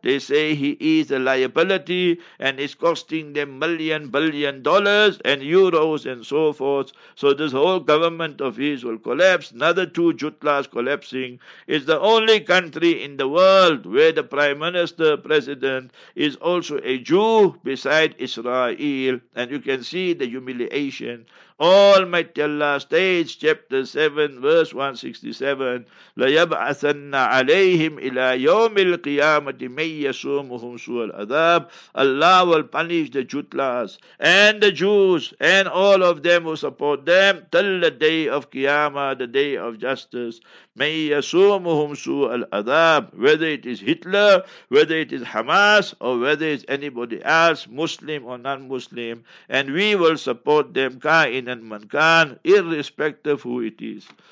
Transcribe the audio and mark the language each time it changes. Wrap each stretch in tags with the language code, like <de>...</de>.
<en>They say he is a liability and is costing them million, billion dollars and euros and so forth. So this whole government of his will collapse. Another two Jutlas collapsing. It's the only country in the world where the prime minister, president, is also a Jew beside Israel. And you can see the humiliation. Almighty Allah states, chapter 7, verse 167,</en> <ar>لَيَبْعَثَنَّ عَلَيْهِمْ إِلَىٰ يَوْمِ الْقِيَامَةِ مَنْ يَسُومُهُمْ سُوَ الْعَذَابِ.</ar> <en>Allah will punish the Jutlas and the Jews and all of them who support them till the day of Qiyamah, the day of justice.</en> <ar>مَنْ يَسُومُهُمْ سُوَ الْعَذَابِ.</ar> <en>Whether it is Hitler, whether it is Hamas, or whether it's anybody else, Muslim or non-Muslim, and we will support them, irrespective of who it is.</en>